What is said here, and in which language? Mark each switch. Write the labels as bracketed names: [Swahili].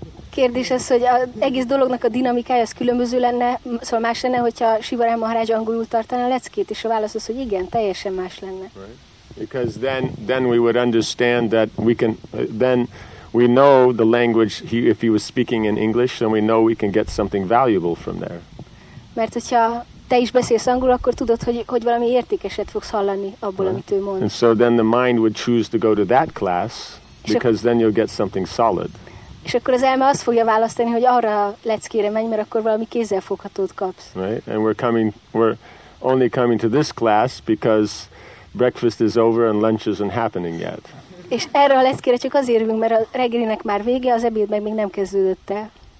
[Hungarian] Kérdés az, hogy az egész dolognak a dinamikája az különböző lenne, szóval más lenne, hogyha Shiva Ram Maharaj angolul tartana a leckét, és a válasz az, hogy igen, teljesen más lenne. [English] Right. Because then we would understand that we can then we know the language if he was speaking in English, then we know we can get something valuable from there. [Hungarian] Mert hogyha te is beszélsz angolul, akkor tudod, hogy valami értékeset fogsz hallani abból, right, amit ő mond. [English] And so then the mind would choose to go to that class because then you'll get something solid. [Hungarian] És akkor az elme azt fogja választani, hogy arra leckére menj, mert akkor valami kézzelfoghatót kapsz. [English] Right, and we're only coming to this class because breakfast is over and lunch isn't happening yet. [Hungarian] És erre a leckére csak azért ülünk, mert a reggelinek már vége, az ebéd meg még nem kezdődött el.